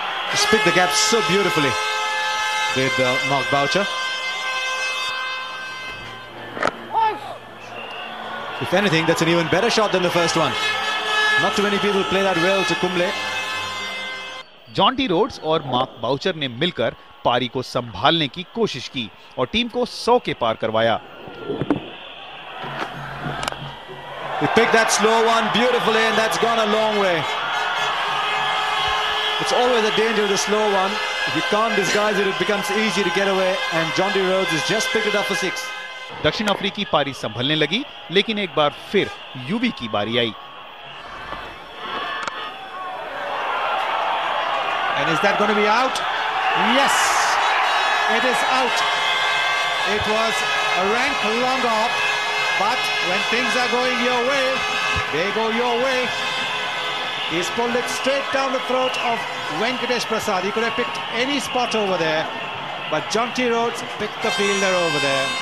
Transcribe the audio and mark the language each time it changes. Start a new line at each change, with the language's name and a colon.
English: Just picked the gap so beautifully with Mark Boucher. If anything, that's an even better shot than the first one. Not too many people play that well to Kumble.
Hindi: Jonty Rhodes और Mark Boucher ने मिलकर पारी को संभालने की कोशिश की और टीम को 100 के पार करवाया.
English: He picked that slow one beautifully and that's gone a long way. It's always a danger with a slow one. If you can't disguise it, it becomes easy to get away and Jonty Rhodes has just picked it up for 6.
Hindi: दक्षिण अफ्रीकी पारी संभलने लगी लेकिन एक बार फिर UV की बारी आई.
English: And is that going to be out? Yes, it is out. It was a rank long off, but when things are going your way, they go your way. He's pulled it straight down the throat of Venkatesh Prasad. He could have picked any spot over there, but Jonty Rhodes picked the fielder over there.